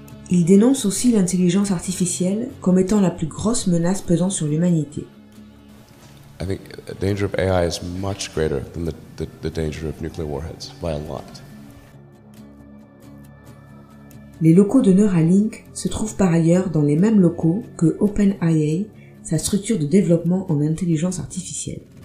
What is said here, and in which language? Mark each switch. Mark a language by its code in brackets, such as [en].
[fr] il dénonce aussi l'intelligence artificielle comme étant la plus grosse menace pesant sur l'humanité. [en] I think the danger of AI is much greater than the danger of nuclear warheads, by a lot. [fr] Les locaux de Neuralink se trouvent par ailleurs dans les mêmes locaux que OpenAI, sa structure de développement en intelligence artificielle.